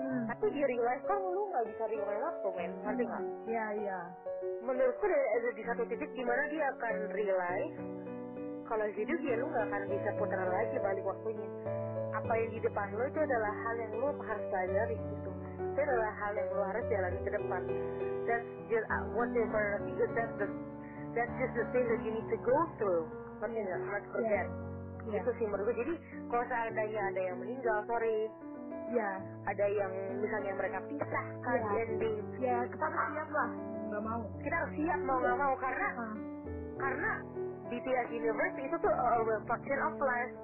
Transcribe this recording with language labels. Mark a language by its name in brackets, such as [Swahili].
[Indonesian] Tapi di rewind kan lu enggak bisa rewind waktu, men, ngerti enggak? Iya, iya. Menurutku di satu titik gimana dia akan realize kalau hidup dia lu gak akan bisa putar lagi balik waktunya. Apa yang di depan lu itu adalah hal yang lu harus sadari gitu. Itu adalah hal yang lu harus jalani ke depan. [English] That's just whatever it is, that's just the thing that you need to go through. [Indonesian] Maksudnya gak? [English] Let's forget. [Indonesian] Itu sih menurutku. Jadi kalau seandainya ada yang meninggal, sorry. Ada yang misalnya mereka pisah kan ending. Ya, kita harus siap lah. Nggak mau. Kita harus siap mau nggak mau karena di tiap universe itu tuh [English] reflection of life.